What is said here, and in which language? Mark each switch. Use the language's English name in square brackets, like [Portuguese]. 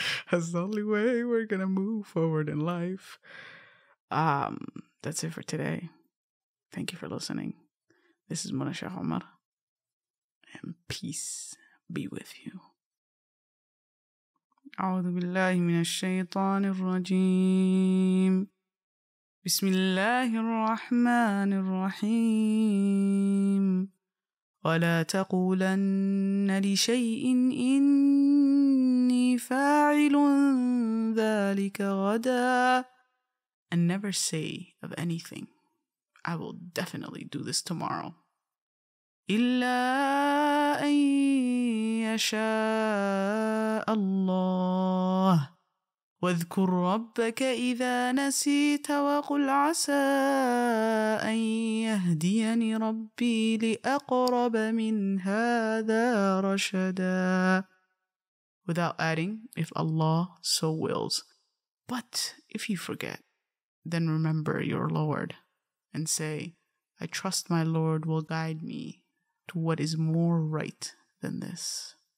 [English] That's the only way we're going to move forward in life. That's it for today. Thank you for listening. This is Mona Scekomar, and peace be with you. [Arabic] أعوذ بالله من الشيطان الرجيم. بسم الله الرحمن الرحيم ولا تقولن لشيء إني فاعل ذلك غدا. [English] And never say of anything, I will definitely do this tomorrow. [Arabic] إلا أن يشاء الله. واذكر ربك إذا نسيت وقل عسى أن يهديني ربي لأقرب من هذا رشدا. [English] Without adding, if Allah so wills. But if you forget, then remember your Lord and say, I trust my Lord will guide me to what is more right than this.